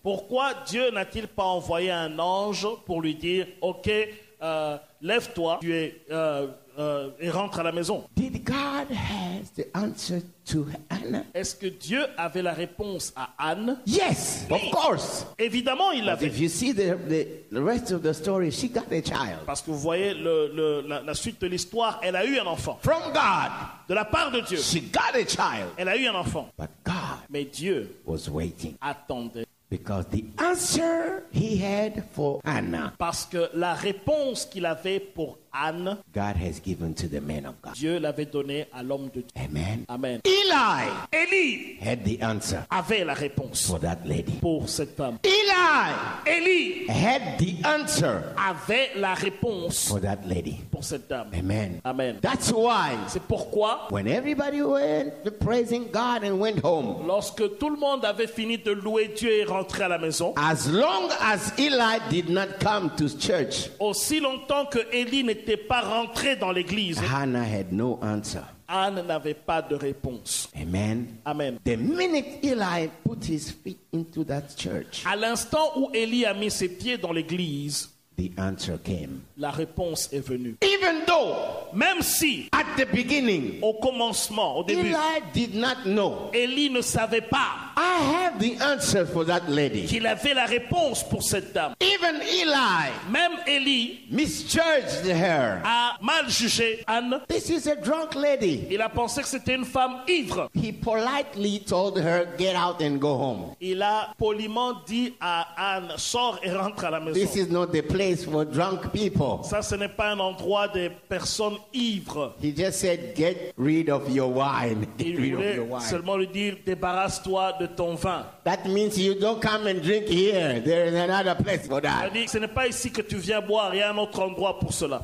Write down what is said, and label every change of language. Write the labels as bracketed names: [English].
[French] Pourquoi Dieu n'a-t-il pas envoyé un ange pour lui dire, "Okay, lève-toi, tu es et rentre à la maison. [English] Did God have the answer to Anna? [French] Est-ce que Dieu avait la réponse à Anne? [English] Yes, of course. [French] Évidemment, il l'avait. [English] If you see the rest of the story, she got a child. [French] Parce que vous voyez la suite de l'histoire, elle a eu un enfant. [English] From God, [French] de la part de Dieu, [English] she got a child. [French] Elle a eu un enfant. [English] But God, [French] mais Dieu [English] was waiting. [French] Attendait. [English] Because the answer he had for Anna, [French] parce que la réponse qu'il avait pour Anne, [English] God has given to the man of God. [French] Dieu l'avait donné à l'homme de Dieu. [English] Amen. [French] Amen. [English] Eli had the answer. [French] Avait la réponse [English] for that lady. [French] Pour cette femme. [English] Eli had the answer. [French] Avait la réponse [English] for that lady. [French] Pour cette dame. [English] Amen. [French] Amen. [English] That's why. [French] C'est pourquoi. [English] When everybody went praising God and went home. [French] Lorsque tout le monde avait fini de louer Dieu et rentré à la maison. [English] As long as Eli did not come to church. [French] Aussi longtemps que Eli n'était pas rentré dans l'église. [English] Hannah had no answer. [French] Anne n'avait pas de réponse. [English] Amen. [French] Amen. [English] The minute Eli put his feet into that church, [French] à l'instant où Eli a mis ses pieds dans l'église, [English] the answer came. [French] La réponse est venue. [English] Even though, [French] même si, [English] at the beginning, [French] au commencement, au début, [English] Eli did not know, [French] Eli ne savait pas, [English] I have the answer for that lady, [French] qu'il avait la réponse pour cette dame. [English] Even Eli, [French] même Eli, [English] misjudged her, [French] a mal jugé Anne. [English] This is a drunk lady. [French] Il a pensé que c'était une femme ivre. [English] He politely told her, get out and go home. [French] Il a poliment dit à Anne, sors et rentre à la maison. [English] This is not the place for drunk people. [French] Ça, ce n'est pas un endroit des personnes ivres. [English] He just said, get rid of your wine. Get [French] il [English] rid of your wine. [French] Seulement lui dire, débarrasse-toi de ton vin. [English] That means you don't come and drink here. There is another place for that. [French] Ce n'est pas ici que tu viens boire. Il y a un autre endroit pour cela.